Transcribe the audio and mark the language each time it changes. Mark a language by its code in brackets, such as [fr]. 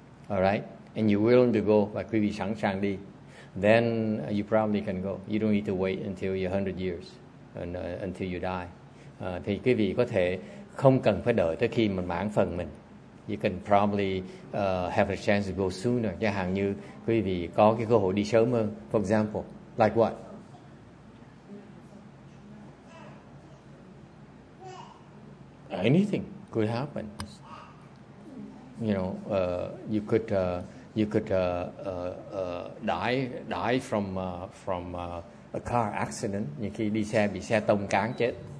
[en] All right? And you're willing to go, then you probably can go. You don't need to wait until you're 100 years, and until you die. [vi] Thì quý vị có thể không cần phải đợi tới khi mình mãn phần mình. [en] You can probably have a chance to go sooner. [vi] Chẳng hạn như quý vị có cái cơ hội đi sớm hơn. [en] For example, like what? Anything could happen. You know, you could die from a car accident. [vi] Như khi đi xe bị xe tông cán chết.